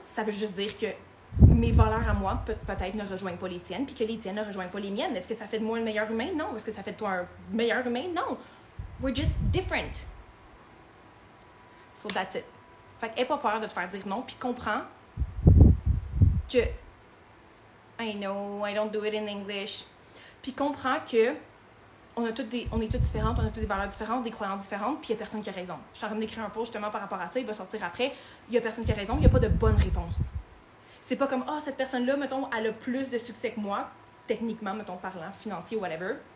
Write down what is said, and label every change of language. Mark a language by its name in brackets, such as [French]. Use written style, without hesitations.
[French] Ça veut juste dire que mes valeurs à moi peut-être ne rejoignent pas les tiennes, puis que les tiennes ne rejoignent pas les miennes. Est-ce que ça fait de moi le meilleur humain? Non. Est-ce que ça fait de toi un meilleur humain? Non. [English] We're just different. So that's it. [French] Fait que, aie pas peur de te faire dire non, puis comprends que... [English] I know, I don't do it in English. [French] Puis comprends que on a toutes des, on est toutes différentes, on a toutes des valeurs différentes, des croyances différentes, puis il y a personne qui a raison. Je suis en train d'écrire un post justement par rapport à ça, il va sortir après. Il y a personne qui a raison, il y a pas de bonne réponse. C'est pas comme, oh, cette personne-là, mettons, elle a plus de succès que moi, techniquement, mettons, parlant, financier, whatever.